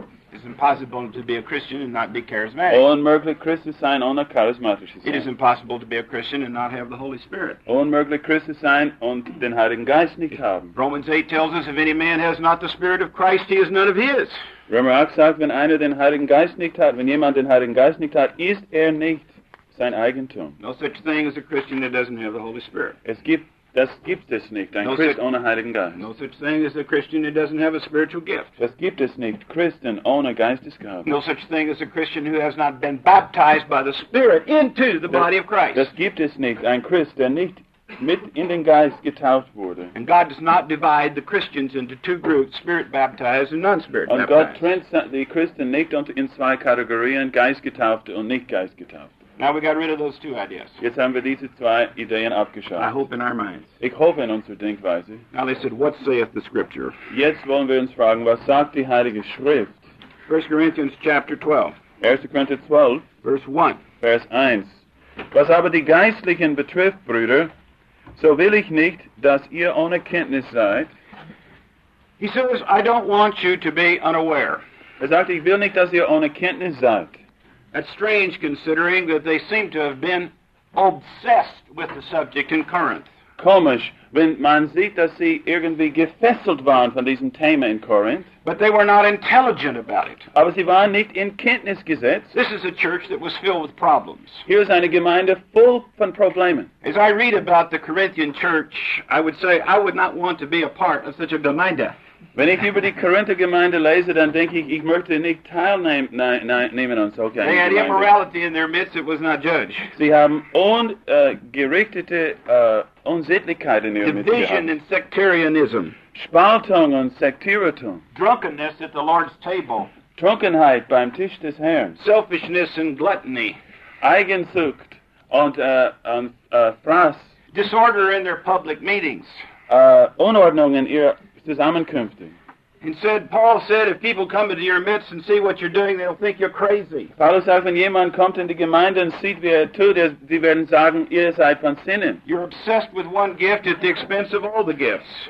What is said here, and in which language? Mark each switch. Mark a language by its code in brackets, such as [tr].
[en] It's impossible to be a Christian and not be charismatic. [de] Unmöglich Christ zu sein ohne charismatisch zu sein. [en] It is impossible to be a Christian and not have the Holy Spirit. [de] Unmöglich Christ zu sein und den Heiligen Geist nicht haben. [en] Romans 8 tells us, if any man has not the Spirit of Christ, he is none of his. [de] Römer 8 sagt, wenn einer den Heiligen Geist nicht hat, wenn jemand den Heiligen Geist nicht hat, ist er nicht sein Eigentum. [en] No such thing as a Christian that doesn't have the Holy Spirit. [de] Das gibt es nicht, ein Christ ohne Heiligen Geist. [en] No such thing as a Christian who doesn't have a spiritual gift. [de] Das gibt es nicht, Christen ohne Geistesgabe. [en] No such thing as a Christian who has not been baptized by the Spirit into the body of Christ. [de] Das gibt es nicht, ein Christ, der nicht mit in den Geist getauft wurde. [en] And God does not divide the Christians into two groups, spirit baptized and non-spirit baptized. [de] Und Gott trennt die Christen nicht in zwei Kategorien, Geistgetaufte und Nichtgeistgetaufte. [en] Now we got rid of those two ideas. [de] Jetzt haben wir diese zwei Ideen abgeschafft. [en] I hope in our minds. [de] Ich hoffe in unserer Denkweise. [en] Now they said, what saith the Scripture? [de] Jetzt wollen wir uns fragen, was sagt die Heilige Schrift? [en] 1 Corinthians chapter 12. [de] 1. Korinther 12. [en] Verse 1. [de] Vers 1. Was aber die Geistlichen betrifft, Brüder, so will ich nicht, dass ihr ohne Kenntnis seid. [en] He says, I don't want you to be unaware. [de] Er sagt, ich will nicht, dass ihr ohne Kenntnis seid. [en] That's strange, considering that they seem to have been obsessed with the subject in Corinth. [de] Komisch, wenn man sieht, dass sie irgendwie gefesselt waren von diesem Thema in Corinth. [en] But they were not intelligent about it. [de] Aber sie waren nicht in Kenntnis gesetzt. [en] This is a church that was filled with problems. [de] Hier ist eine Gemeinde voll von Problemen. [en] As I read about the Corinthian church, I would say I would not want to be a part of such a Gemeinde. [de] Wenn ich über die Korinther Gemeinde lese, dann denke ich, ich möchte nicht teilnehmen an solchen Gemeinden. [en] They had immorality in their midst, it was not judged. [de] Sie haben ungerichtete Unsittlichkeit in ihrer Mitte gehabt. [en] Division and sectarianism. [de] Spaltung und Sektierertum. [en] Drunkenness at the Lord's table. [de] Trunkenheit beim Tisch des Herrn. [en] Selfishness and gluttony. [de] Eigensucht und Fraß. [en] Disorder in their public meetings. [de] Unordnung in ihrer Zusammenkünfte. [en] And said, Paul said, if people come into your midst and see what you're doing, they'll think you're crazy. [de] Paulus sagt, wenn jemand kommt in die Gemeinde und sieht, wie er tut, die werden sagen, ihr seid von Sinnen. [en] You're obsessed with one gift at the expense of all the gifts.